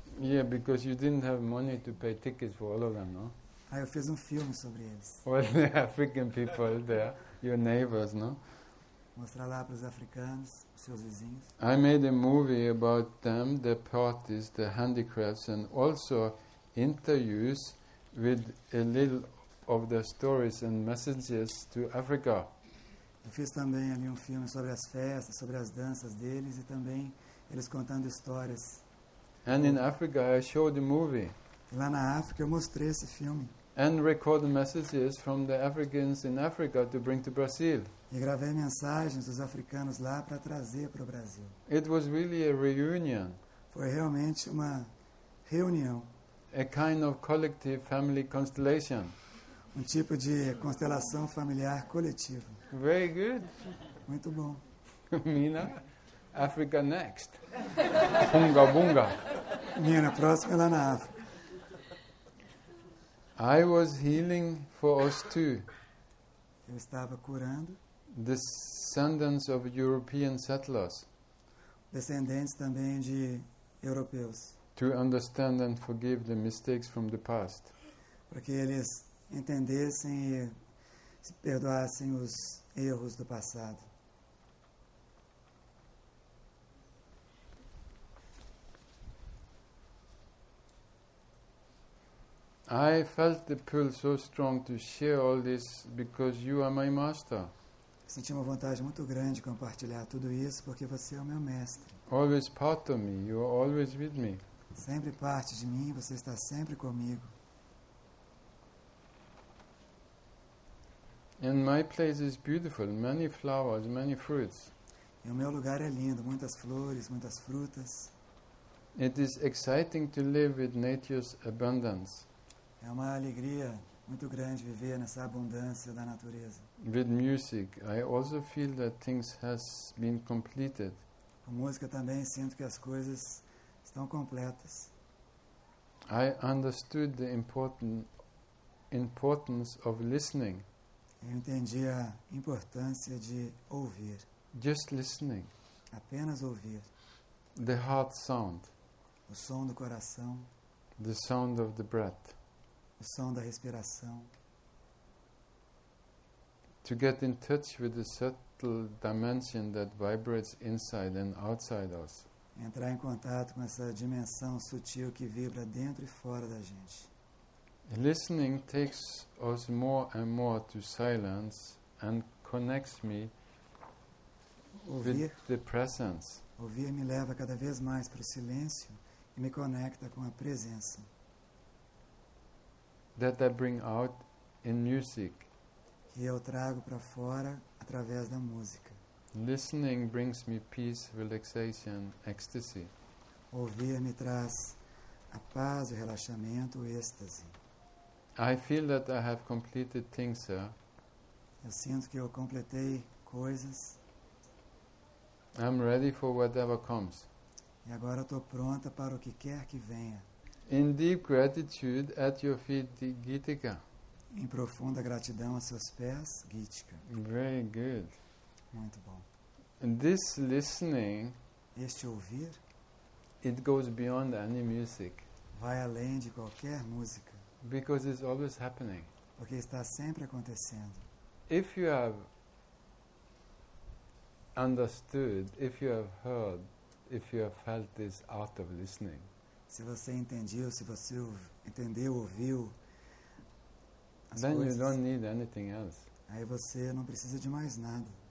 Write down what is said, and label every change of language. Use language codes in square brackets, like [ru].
[en] Yeah, because you didn't have money to pay tickets for all of them, no? [pt] Ah, eu fiz um filme sobre eles. [en] Well, the African people there, your neighbors, no? [pt] Mostrar lá para os africanos, seus vizinhos. [en] I made a movie about them, the parties, the handicrafts, and also interviews with a little of the stories and messages to Africa. [pt] Eu fiz também ali um filme sobre as festas, sobre as danças deles e também eles contando histórias. [en] And in Africa I showed the movie. [pt] Lá na África eu mostrei esse filme. [en] And recorded messages from the Africans in Africa to bring to Brazil. [pt] E gravei mensagens dos africanos lá para trazer para o Brasil. [en] It was really a reunion. [pt] Foi realmente uma reunião. [en] A kind of collective family constellation. [pt] Um tipo de constelação familiar coletiva. [en] Very good. [pt] Muito bom. [en] Mina, Africa next. Bunga bunga. [pt] Mina, próxima lá na África. [en] I was healing for us too. [pt] Eu estava curando. [en] Descendants of European settlers. [pt] Descendentes também de europeus. [en] To understand and forgive the mistakes from the past. [pt] Para que eles entendessem e se perdoassem os erros do passado. [en] I felt the pull so strong to share all this because you are my master. [pt] Senti uma vontade muito grande de compartilhar tudo isso porque você é o meu mestre. [en] Always part of me, you are always with me. [pt] Sempre parte de mim, você está sempre comigo. [en] And my place is beautiful, many flowers, many fruits. [pt] E o meu lugar é lindo, muitas flores, muitas frutas. [en] It is exciting to live with nature's abundance. [pt] É uma alegria muito grande viver nessa abundância da natureza. [en] With music, I also feel that things has been completed. [pt] Com música também sinto que as coisas estão completas. [en] I understood the importance of listening. [pt] Eu entendi a importância de ouvir. [en] Just listening. [pt] Apenas ouvir. [en] The heart sound. [pt] O som do coração. [en] The sound of the breath. [pt] O som da respiração. [en] To get in touch with the subtle dimension that vibrates inside and outside us. [pt] Entrar em contato com essa dimensão sutil que vibra dentro e fora da gente. [en] Listening takes us more and more to silence and connects me [pt] ouvir, [en] with the presence. [pt] Ouvir me leva cada vez mais para o silêncio e me conecta com a presença. [en] That I bring out in music. [pt] Que eu trago para fora através da música. [en] Listening brings me peace, relaxation, ecstasy. [pt] Ouvir me traz a paz, o relaxamento, o êxtase. [en] I feel that I have completed things, sir. [pt] Eu sinto que eu completei coisas. [en] I'm ready for whatever comes. [pt] E agora estou pronta para o que quer que venha. [en] In deep gratitude at your feet, Gitika. [pt] Em profunda gratidão aos seus pés, Gitika. [en] Very good. [pt] Muito bom. [en] And this listening, [pt] este ouvir, [en] it goes beyond any music. [pt] Vai além de qualquer música. [en] Because it's always happening. [pt] Porque está sempre acontecendo. [en] If you have understood, if you have heard, if you have felt this art of listening. [pt] Se você entendeu, se você entendeu, ouviu. [en] Then you don't need anything else. [pt] Aí você não precisa de mais nada.